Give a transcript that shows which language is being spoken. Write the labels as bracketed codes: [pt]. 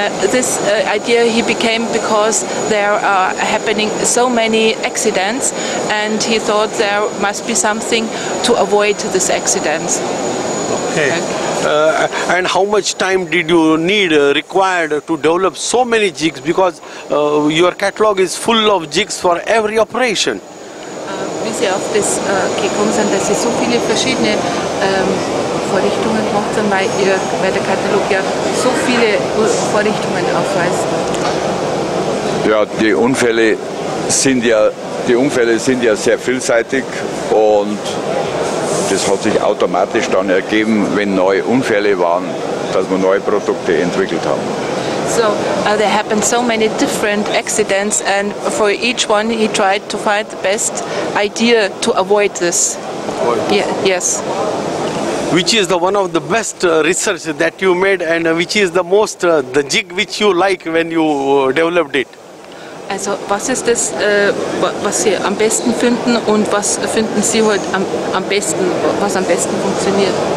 [en] This idea he became because there are happening so many accidents, and he thought there must be something to avoid these accidents. Okay. And how much time did you need required to develop so many jigs? Because your catalog is full of jigs for every operation. [de] Wie sie auf das gekommen sind, dass sie so viele verschiedene Vorrichtungen gemacht haben, weil der Katalog ja so viele Vorrichtungen aufweist. Ja, die Unfälle sind ja sehr vielseitig, und das hat sich automatisch dann ergeben, wenn neue Unfälle waren, dass wir neue Produkte entwickelt haben. [en] So there happened so many different accidents, and for each one he tried to find the best idea to avoid this. Yes. Which is the one of the best research that you made, and which is the most the jig which you like when you developed it? [de] Also was ist das, was Sie am besten finden, und was finden Sie heute am besten, was am besten funktioniert?